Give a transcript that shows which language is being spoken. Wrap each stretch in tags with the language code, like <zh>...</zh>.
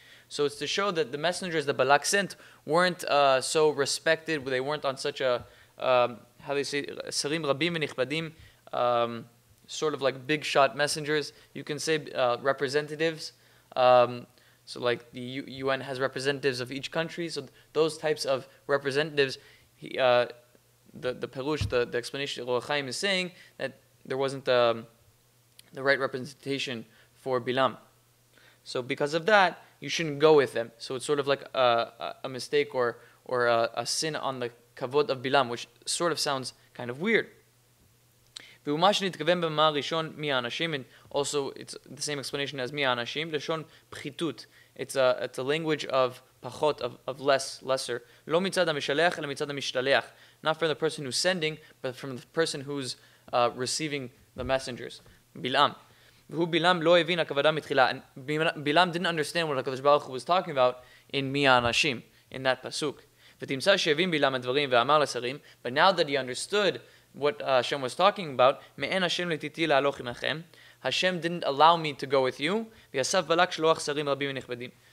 <en>So it's to show that the messengers that Balak sent weren't so respected, they weren't on such a, how do you say,</en> <he>sarim rabim v'nichbadim,</he> <en>sort of like big shot messengers, you can say representatives, so like the UN has representatives of each country, so those types of representatives, the perush, the explanation that Or HaChaim is saying, that there wasn't the right representation for Bilam. So because of that, you shouldn't go with them. So it's sort of like a mistake or a sin on the kavod of Bilam, which sort of sounds kind of weird.</en> <he>ומה שנתכוון במאמר הראשון מי האנשים,</he> <en>and also it's the same explanation as</en> <he>מי האנשים, לשון פחיתות.</he> <en>It's a language of פחות, of less, lesser.</en> <he>לא מצד המשלח, אלא מצד המשתלח.</he> <en>Not from the person who's sending, but from the person who's receiving the messengers.</en> <he>בלעם. והוא בלעם לא הבין הכבדה מתחילה.</he> <en>בלעם didn't understand what הקדוש ברוך הוא was talking about in</en> <he>מי האנשים,</he> <en>in that פסוק.</en> <he>ותמצא שהבין בלעם הדברים ואמר לשרים,</he> <en>but now that he understood what Hashem was talking about,</en> <he>מעין השם לתיתי להלוך עמכם,</he> <en>Hashem didn't allow me to go with you,</en> <he>ויסף בלק שלוח שרים רבים ונכבדים.</he>